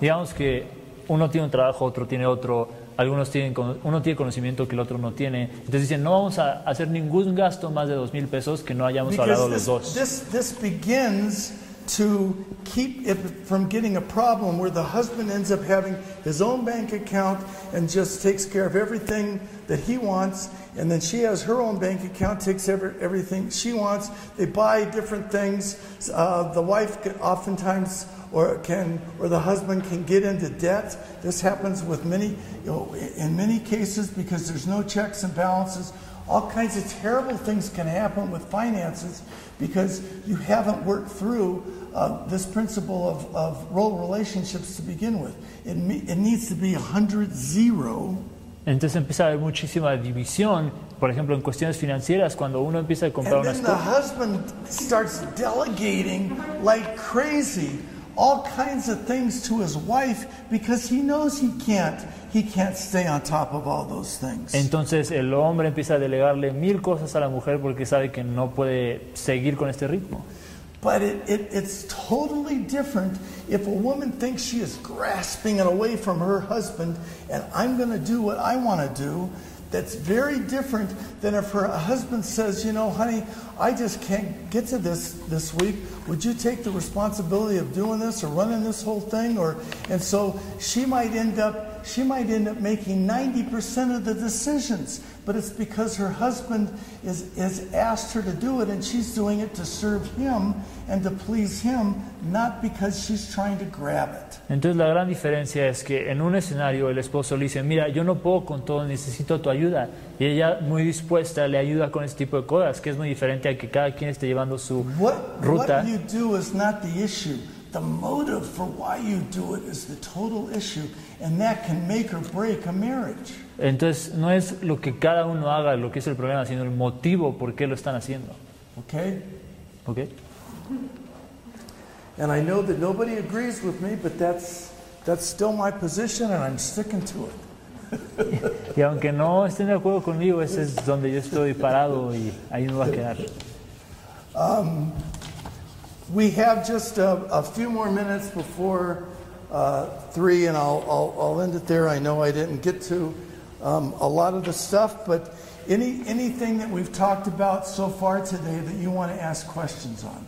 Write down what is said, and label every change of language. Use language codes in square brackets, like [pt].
[es] Digamos que uno tiene un trabajo, otro tiene otro. Algunos tienen uno tiene conocimiento que el otro no tiene. Entonces dicen, no vamos a hacer ningún gasto más de 2,000 pesos que no hayamos [en] Because [es] hablado [en] this, [es] los dos. [en] This begins to keep it from getting a problem where the husband ends up having his own bank account and just takes care of everything that he wants, and then she has her own bank account, takes everything she wants. They buy different things. The wife oftentimes or the husband can get into debt. This happens with many, in many cases, because there's no checks and balances. All kinds of terrible things can happen with finances because you haven't worked through this principle of role relationships to begin with. It needs to be 100-0. [es] Entonces empieza a haber muchísima división, por ejemplo, en cuestiones financieras, cuando uno empieza a comprar una esposa. [en] And then the husband starts delegating like crazy all kinds of things to his wife because he knows he can't stay on top of all those things. [es] Entonces el hombre empieza a delegarle mil cosas a la mujer porque sabe que no puede seguir con este ritmo. [en] But it's totally different if a woman thinks she is grasping it away from her husband and I'm going to do what I want to do. That's very different than if her husband says, you know, honey, I just can't get to this week. Would you take the responsibility of doing this or running this whole thing? And so she might end up making 90% of the decisions, but it's because her husband has asked her to do it, and she's doing it to serve him and to please him, not because she's trying to grab it. [es] Entonces la gran diferencia es que en un escenario el esposo le dice, mira, yo no puedo con todo, necesito tu ayuda. Y ella muy dispuesta le ayuda con este tipo de cosas, que es muy diferente a que cada quien esté llevando su ruta. [en] What you do is not the issue. The motive for why you do it is the total issue, and that can make or break a marriage. [es] Entonces no es lo que cada uno haga lo que es el problema, sino el motivo por qué lo están haciendo. [en] Okay. Okay. And I know that nobody agrees with me, but that's still my position, and I'm sticking to it. [es] Y aunque no estén de acuerdo conmigo, ese es donde yo estoy parado y ahí me va a quedar. [en] We have just a few more minutes before 3, and I'll end it there. I know I didn't get to a lot of the stuff, but anything that we've talked about so far today that you want to ask questions on?